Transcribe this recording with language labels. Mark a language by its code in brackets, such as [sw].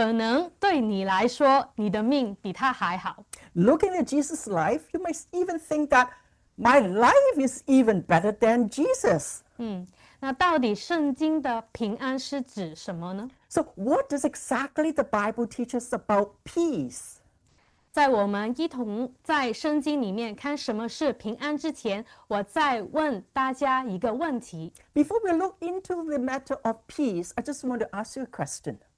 [zh] 看到耶稣的生命，你就知道，可能对你来说，你的命比他还好。 [en] Looking at Jesus' life, you might even think that my life is even better than Jesus. [zh] 那到底圣经的平安是指什么呢？ [en] So what does exactly the Bible teach us about peace? [zh] 在我们一同在圣经里面看什么是平安之前，我再问大家一个问题。 [en] Before we look into the matter of peace, I just want to ask you a question.